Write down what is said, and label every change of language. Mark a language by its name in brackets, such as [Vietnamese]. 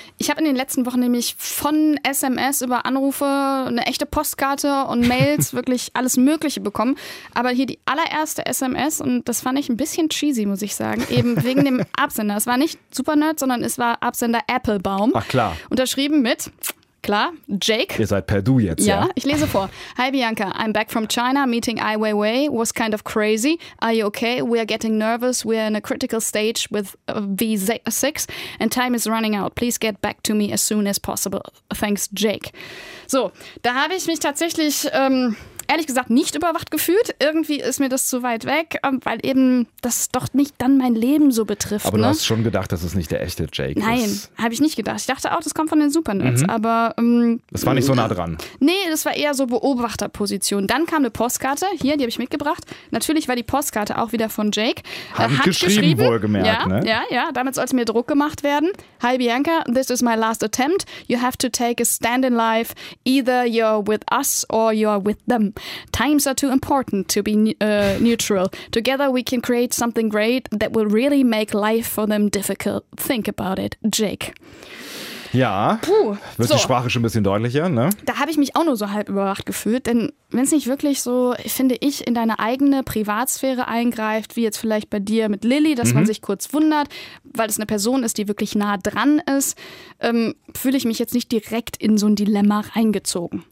[German] Ich habe in den letzten Wochen nämlich von SMS über Anrufe eine echte Postkarte und Mails wirklich alles Mögliche bekommen. Aber hier die allererste SMS und das fand ich ein bisschen cheesy, muss ich sagen, eben wegen dem Absender. Es war nicht Supernerd, sondern es war Absender Applebaum. Ach klar. Unterschrieben mit... Klar, Jake. Ihr seid per Du jetzt, ja? Ja, ich lese vor. [English] Hi Bianca, I'm back from China, meeting Ai Weiwei. Was kind of crazy. Are you okay? We are getting nervous. We are in a critical stage with V6 and time is running out. Please get back to me as soon as possible. Thanks, Jake. [German] So, da habe ich mich tatsächlich, ehrlich gesagt, nicht überwacht gefühlt. Irgendwie ist mir das zu weit weg, weil eben das doch nicht dann mein Leben so betrifft. Aber ne? Du hast schon gedacht, dass es nicht der echte Jake Nein, ist. Nein, habe ich nicht gedacht. Ich dachte auch, das kommt von den Supernerds, aber... Das war nicht so nah dran. Nee, das war eher so Beobachterposition. Dann kam eine Postkarte, hier, die habe ich mitgebracht. Natürlich war die Postkarte auch wieder von Jake. Hat geschrieben, wohlgemerkt. Ja, ne? ja, damit sollte mir Druck gemacht werden. [English] Hi Bianca, this is my last attempt. You have to take a stand in life. Either you're with us or you're with them. Times are too important to be neutral. Together we can create something great that will really make life for them difficult. Think about it, Jake. [German] Ja, puh, wird so. Die Sprache schon ein bisschen deutlicher, ne? Da habe ich mich auch nur so halb überwacht gefühlt, denn wenn es nicht wirklich so, finde ich, in deine eigene Privatsphäre eingreift, wie jetzt vielleicht bei dir mit Lilly, dass man sich kurz wundert, weil es eine Person ist, die wirklich nah dran ist, fühle ich mich jetzt nicht direkt in so ein Dilemma reingezogen.